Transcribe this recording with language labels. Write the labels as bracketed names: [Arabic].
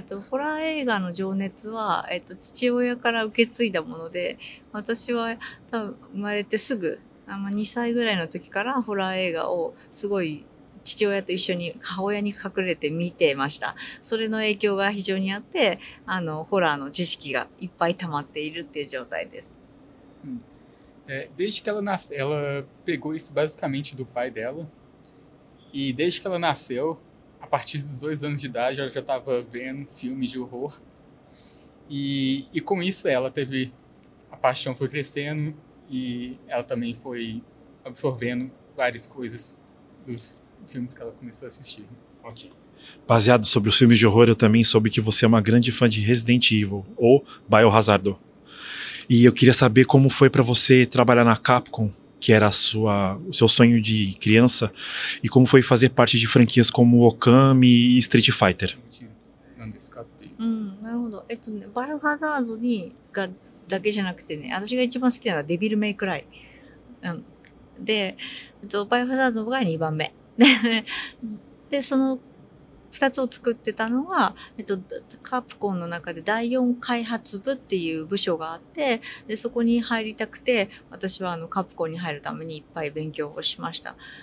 [Japanese] ホラー映画の情熱は、父親から受け継いだもので、私は多分生まれてすぐ、2歳ぐらいの時からホラー映画をすごい父親と一緒に母親に隠れて見てました。それの影響が非常にあって、ホラーの知識がいっぱい溜まっているっていう状態です。 [Portuguese] Desde que ela nasceu, ela pegou isso basicamente do pai dela. E desde que ela nasceu, a partir dos 2 anos de idade, ela já estava vendo filmes de horror. E com isso ela teve a paixão foi crescendo e ela também foi absorvendo várias coisas dos filmes que ela começou a assistir. Ok. Baseado sobre os filmes de horror, eu também soube que você é uma grande fã de Resident Evil ou Biohazard. E eu queria saber como foi para você trabalhar na Capcom, que era o seu sonho de criança, e como foi fazer parte de franquias como Okami e Street Fighter. [Japanese] Biohazard だけじゃなくてね、私が一番好きなのはデビルメイクライ。で、Biohazard が2番目。で、その2つを作ってたのは、カプコンの中で第4開発部っていう部署があって、で、そこに入りたくて、私はカプコンに入るためにいっぱい勉強をしました。